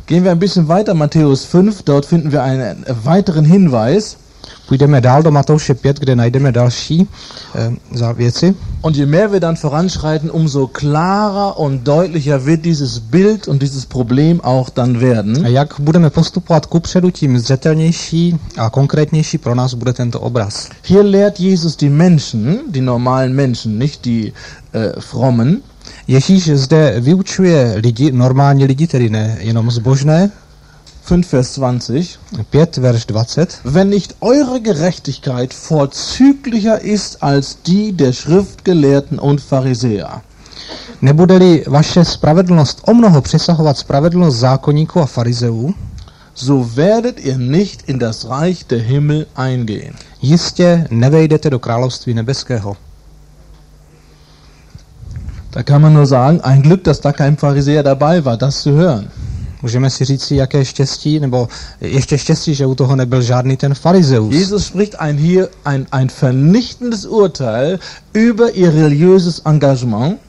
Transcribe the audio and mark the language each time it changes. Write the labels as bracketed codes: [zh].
[de] Gehen wir ein bisschen weiter, Matthäus 5, dort finden wir einen weiteren Hinweis. [cs] Půjdeme dál do Matouše 5, kde najdeme další věci. [de] Und je mehr wir dann voranschreiten, umso klarer und deutlicher wird dieses Bild und dieses Problem auch dann werden. [cs] A jak budeme postupovat kupředu, tím zřetelnější a konkrétnější pro nás bude tento obraz. [de] Hier lehrt Jesus die Menschen, die normalen Menschen, nicht die frommen. [cs] Ježíš zde vyučuje lidi, normální lidi, tedy ne jenom zbožné. [de] 5 Vers 20. Wenn nicht eure Gerechtigkeit vorzüglicher ist als die der Schriftgelehrten und Pharisäer. [cs] Nebude-li vaše spravedlnost o mnoho přesahovat spravedlnost zákonníků a farizeů, [de] so werdet ihr nicht in das Reich der Himmel eingehen. [cs] Jistě nevejdete do království nebeského. [de] Da kann man nur sagen, ein Glück, dass da kein Pharisäer dabei war, das zu hören. [cs] Můžeme si říci, jaké štěstí, nebo ještě štěstí, že u toho nebyl žádný ten farizeus. [de] Jesus spricht ein vernichtendes Urteil über ihr religiöses Engagement.